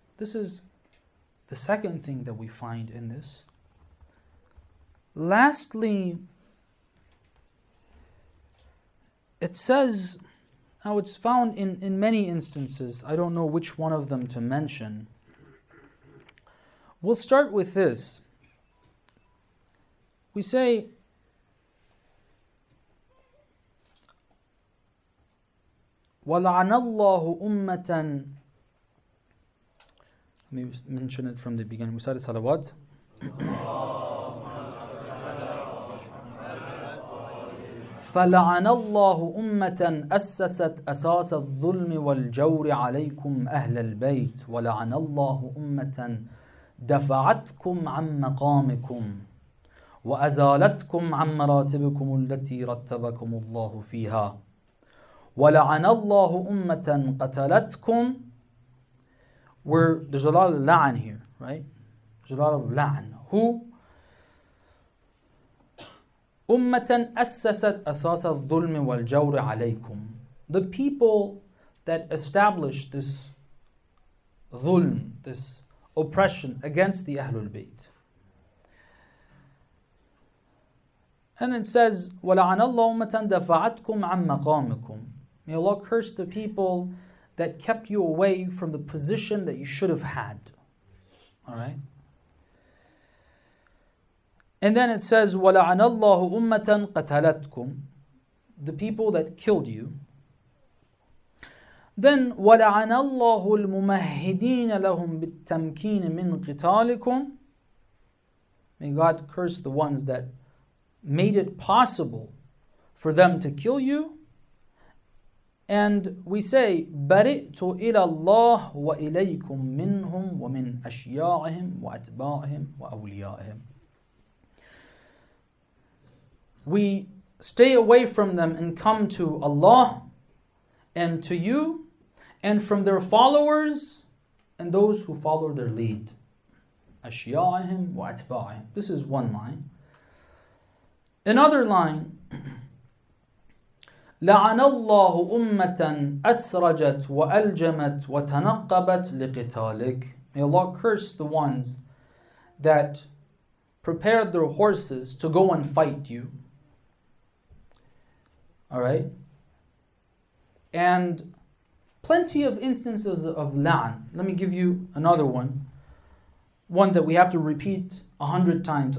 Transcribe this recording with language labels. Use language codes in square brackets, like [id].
[en] This is the second thing that we find in this. Lastly, it says, now it's found in many instances, I don't know which one of them to mention. We'll start with this. We say, [ar] وَلَعَنَ اللَّهُ أُمَّةً. [en] Let me mention it from the beginning. We started salawat. [ar] فَلَعَنَ اللَّهُ أُمَّةً أَسَّسَتْ أَسَاسَ الظُّلْمِ وَالْجَوْرِ عَلَيْكُمْ أَهْلَ الْبَيْتِ وَلَعَنَ اللَّهُ أُمَّةً دَفَعَتْكُمْ عَنْ مَقَامِكُمْ وَأَزَالَتْكُمْ عَنْ مَرَاتِبِكُمُ الَّتِي رَتَّبَكُمُ اللَّهُ فِيهَا وَلَعَنَ اللَّهُ أُمَّةً قَتَلَتْكُمْ. [en] There's a lot of la'an here, right? There's a lot of la'an. Who? [ar] أُمَّةً أَسَّسَتْ أَسَاسَ الظُّلْمِ وَالْجَوْرِ عَلَيْكُمْ. [en] The people that established this dhulm, this oppression against the Ahlul Bayt. And it says, [ar] وَلَعَنَ اللَّهُ أُمَّةً دَفَعَتْكُمْ عَنْ مَقَامِكُمْ. [en] May Allah curse the people that kept you away from the position that you should have had. Alright? And then it says, [ar] وَلَعَنَ اللَّهُ أُمَّةً قَتَلَتْكُمْ. [en] The people that killed you. Then, [ar] وَلَعَنَ اللَّهُ الْمُمَهِّدِينَ لَهُمْ بِالتَّمْكِينِ مِنْ قِتَالِكُمْ. [en] May God curse the ones that made it possible for them to kill you. And we say, [ar] بَرِئْتُ إِلَى اللَّهِ وَإِلَيْكُمْ مِنْهُمْ وَمِنْ أَشْيَاعِهِمْ وَأَتْبَاعِهِمْ وَأَوْلِيَائِهِمْ. [en] We stay away from them and come to Allah and to you and from their followers and those who follow their lead. [ar] أَشْيَاعِهِمْ وَأَتْبَاعِهِمْ. [en] This is one line. Another line, [ar] لَعَنَ اللَّهُ أُمَّةً أَسْرَجَتْ وَأَلْجَمَتْ وَتَنَقَّبَتْ لِقِتَالِكَ. [en] May Allah curse the ones that prepared their horses to go and fight you. Alright? And plenty of instances of la'an. Let me give you another one. One that we have to repeat 100 times.